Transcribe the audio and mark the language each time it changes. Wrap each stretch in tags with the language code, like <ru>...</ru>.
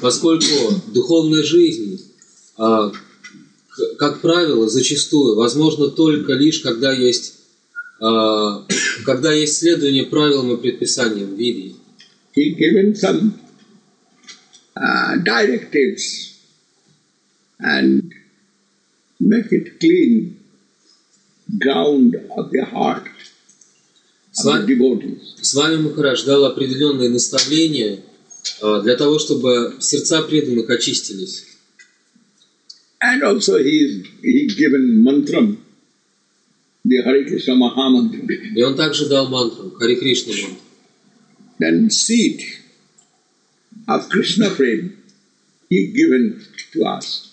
<ru>Поскольку духовная жизнь как правило, зачастую, возможно, только лишь, когда есть следование правилам и предписаниям Веды.</ru> <en>He given some directives and make it clean ground of the heart of the devotees.</en> <ru>Свами Махарадж дал определенные наставления для того, чтобы сердца преданных очистились.</ru> <en>And also he given mantra, the Hare Krishna Maha Mantra.</en> <ru>И он также дал мантру, Hare Krishna Mantra.</ru> <en>Then seed of Krishna Prem he given to us.</en>